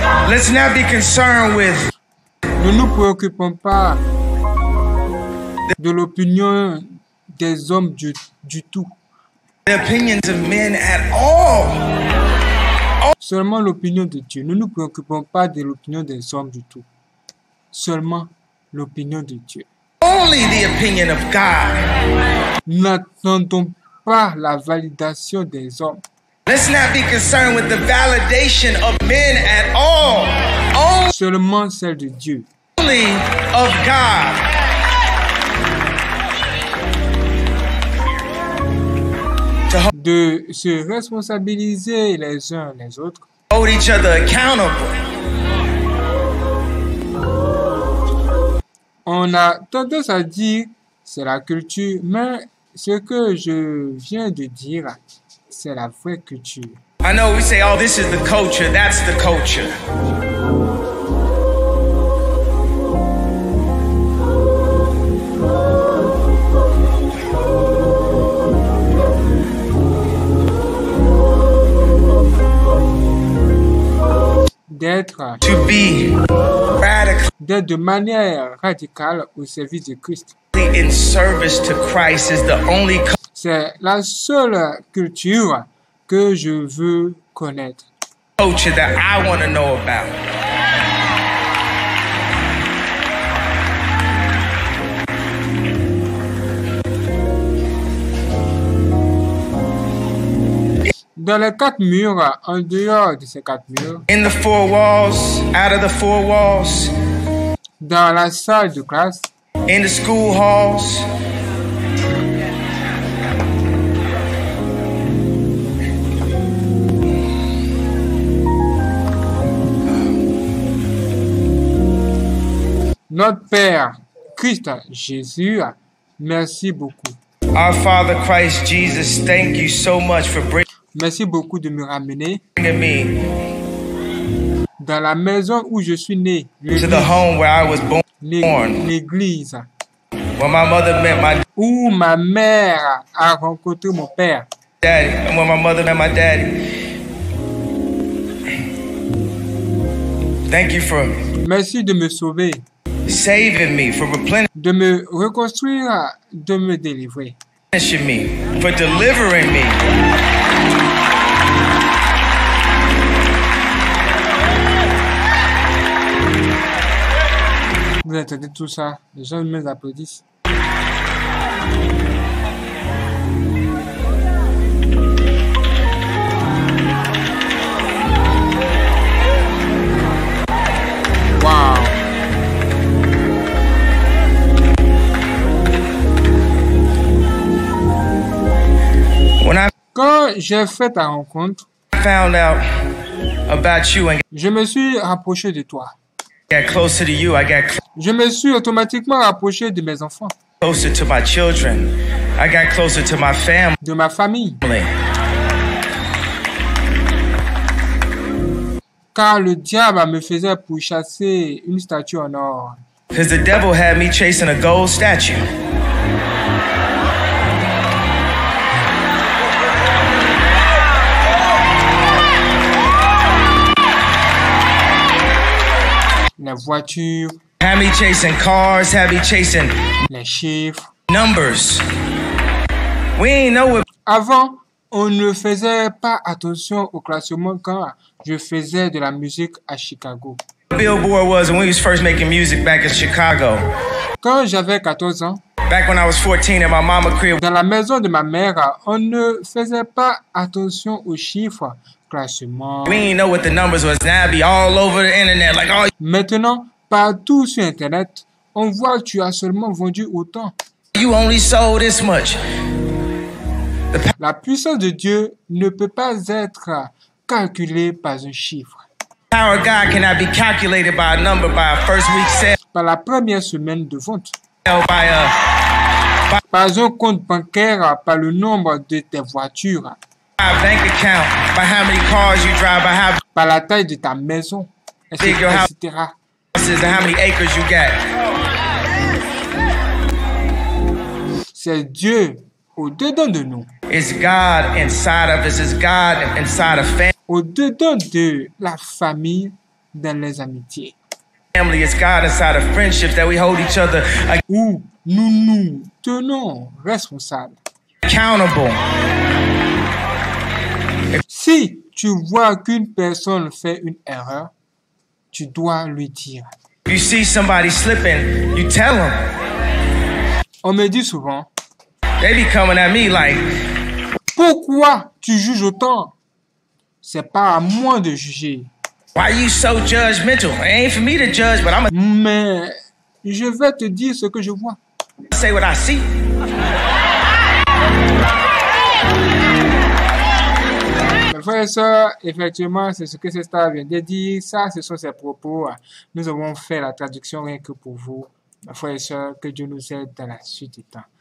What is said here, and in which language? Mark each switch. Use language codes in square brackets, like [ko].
[en] Let's not be concerned with. [fr] Ne nous préoccupons pas de l'opinion des hommes du tout. [en] The opinions of men at all. [fr] Seulement l'opinion de Dieu. Ne nous préoccupons pas de l'opinion des hommes du tout. Seulement l'opinion de Dieu. [en] Only the opinion of God. [fr] N'attendons pas la validation des hommes. [en] Let's not be concerned with the validation of men at all. [fr] Seulement celle de Dieu. [en] Only of God. [fr] de se responsabiliser les uns les autres. [en] Hold each other accountable. [fr] On a tendance à dire c'est la culture, mais ce que je viens de dire, c'est la vraie culture. [en] I know we say, oh, this is the culture, that's the culture. [fr] D'être. [en] To be radical. [fr] D'être de manière radicale au service de Christ. [en] In service to Christ is the only. [fr] C'est la seule culture que je veux connaître. [en] Culture that I want to know about. [fr] Dans les quatre murs, en dehors de ces quatre murs. [en] In the four walls, out of the four walls. [fr] Dans la salle de classe. [en] In the school halls. [fr] Notre Père, Christ Jésus, merci beaucoup. [en] Our Father Christ Jesus, thank you so much for bringing. [fr] Merci beaucoup de me ramener me dans la maison où je suis né. [en] To the home where I was born. [fr] L'église. [en] When my mother met my. [fr] Où ma mère a rencontré mon père. [en] Daddy. And when my mother met my daddy. Thank you for. [fr] Merci de me sauver. [en] Saving me for replenishing. [fr] De me reconstruire, de me délivrer. [en] Replenishing me for delivering me. [fr] Vous entendez tout ça, les gens me applaudissent. [en] Wow. When I, [fr] quand j'ai fait ta rencontre, [en] found out about you and [fr] je me suis rapproché de toi. [en] Get closer to you, I get closer. [fr] Je me suis automatiquement rapproché de mes enfants. [en] Closer to my children. I got closer to my family. [fr] De ma famille. Car le diable me faisait pourchasser une statue en or. [en] Because the devil had me chasing a gold statue. [fr] La voiture. [en] Have me chasing cars, have me chasing [fr] les chiffres. [en] Numbers. We ain't know it. [fr] Avant, on ne faisait pas attention au classement quand je faisais de la musique à Chicago. [en] Billboard was when we was first making music back in Chicago. [fr] Quand j'avais 14 ans. [en] Back when I was 14 at my mama crib. [fr] Dans la maison de ma mère, on ne faisait pas attention aux chiffres. Classement. [en] We ain't know what the numbers was. Now be all over the internet like all. [fr] Maintenant, partout sur Internet, on voit que tu as seulement vendu autant. [en] You only sold this much. [fr] La puissance de Dieu ne peut pas être calculée par un chiffre. [en] Power of God cannot be calculated by a number, by a first week sale. [fr] Par la première semaine de vente. Par un compte bancaire, par le nombre de tes voitures. [en] By a bank account, by how many cars you drive, by how. [fr] Par la taille de ta maison, etc. [en] And how many acres you got. [fr] C'est Dieu au-dedans de nous. [en] It's God inside of us. It's God inside of family. [fr] Au-dedans de la famille, dans les amitiés. [en] Family is God inside of friendships that we hold each other. [fr] Où nous nous tenons responsables. [en] Accountable. [fr] Si tu vois qu'une personne fait une erreur, tu dois lui dire. [en] You see somebody slipping, you tell them. [fr] On me dit souvent. [en] They be coming at me like. [fr] Pourquoi tu juges autant? C'est pas à moi de juger. [en] Why are you so judgmental? It ain't for me to judge, but I'm a. [fr] Mais je vais te dire ce que je vois. [en] Say what I see. [fr] frère et soeur, effectivement, c'est ce que ces stars viennent de dire. Ça, ce sont ses propos. Nous avons fait la traduction rien que pour vous, frère et soeur, que Dieu nous aide dans la suite du temps.